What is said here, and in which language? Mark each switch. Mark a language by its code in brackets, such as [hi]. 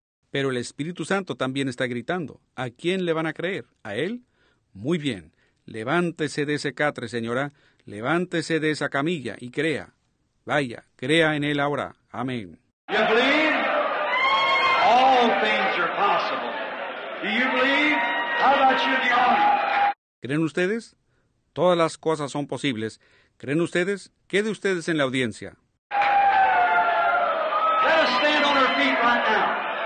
[es] Pero el Espíritu Santo también está gritando. ¿A quién le van a creer? ¿A él? Muy bien. Levántese de ese catre, señora. Levántese de esa camilla y crea. Vaya, crea en él ahora. Amén. [en] You believe? All things are possible. Do you believe? How about you, the audience? [es] ¿Creen ustedes? Todas las cosas son posibles. ¿Creen ustedes? ¿Qué de ustedes en la audiencia? [en] Let us stand on our feet right now.